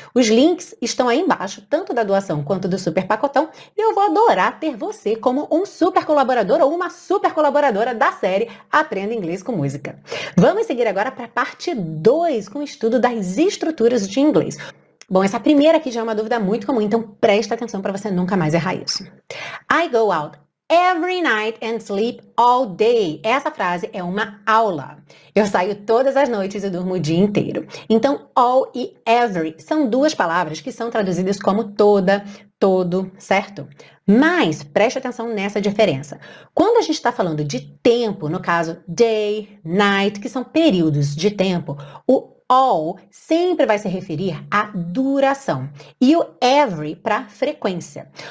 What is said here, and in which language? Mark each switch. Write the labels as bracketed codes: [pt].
[pt] Os links estão aí embaixo, tanto da doação quanto do Super Pacotão, e eu vou adorar ter você como um super colaborador ou uma super colaboradora da série Aprenda Inglês com Música. Vamos seguir agora para a parte 2, com o estudo das estruturas de inglês. Bom, essa primeira aqui já é uma dúvida muito comum, então presta atenção para você nunca mais errar isso. [en] I go out every night and sleep all day. [pt] Essa frase é uma aula. Eu saio todas as noites e durmo o dia inteiro. Então, all e every são duas palavras que são traduzidas como toda, todo, certo? Mas preste atenção nessa diferença. Quando a gente está falando de tempo, no caso day, night, que são períodos de tempo, o all sempre vai se referir à duração e o every para frequência.